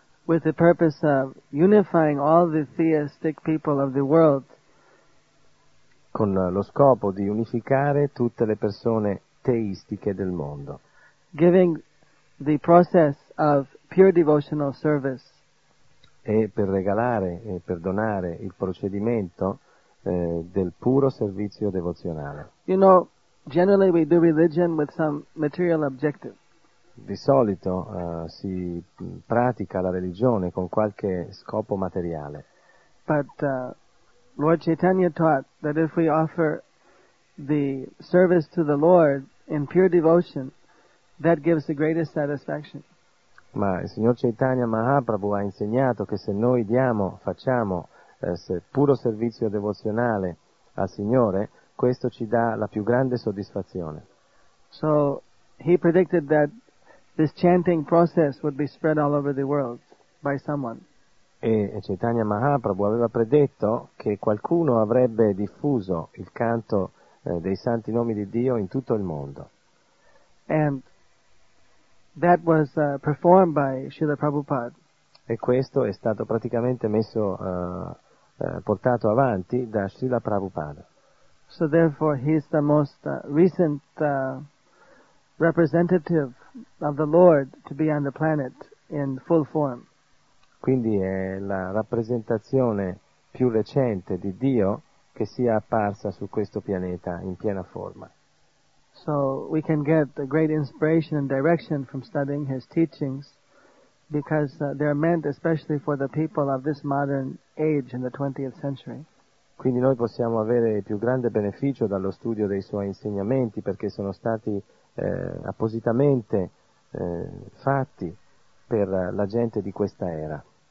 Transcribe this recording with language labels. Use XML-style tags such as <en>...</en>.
<en>with the purpose of unifying all the theistic people of the world.</en> <it>Con lo scopo di unificare tutte le persone teistiche del mondo.</it> <en>Giving the process of pure devotional service.</en> <it>E per regalare e per donare il procedimento del puro servizio devozionale.</it> <en>You know, generally we do religion with some material objective.</en> <it>Di solito si pratica la religione con qualche scopo materiale.</it> <en>But Lord Chaitanya taught that if we offer the service to the Lord in pure devotion, that gives the greatest satisfaction.</en> <it>Ma il signor Chaitanya Mahaprabhu ha insegnato che se noi facciamo puro servizio devozionale al Signore, questo ci dà la più grande soddisfazione.</it> <en>So he predicted that this chanting process would be spread all over the world by someone.</en> <it>E Chaitanya Mahaprabhu aveva predetto che qualcuno avrebbe diffuso il canto dei santi nomi di Dio in tutto il mondo.</it> <en>And that was performed by Srila Prabhupada.</en> <it>E questo è stato praticamente messo portato avanti da Srila Prabhupada.</it> <en>So therefore he is the most recent representative of the Lord to be on the planet in full form.</en> <it>Quindi è la rappresentazione più recente di Dio che sia apparsa su questo pianeta in piena forma.</it> <en>So we can get a great inspiration and direction from studying his teachings because they are meant especially for the people of this modern age in the 20th century.</en> <it>Quindi noi possiamo avere il più grande beneficio dallo studio dei suoi insegnamenti perché sono stati appositamente fatti per la gente di questa era.</it>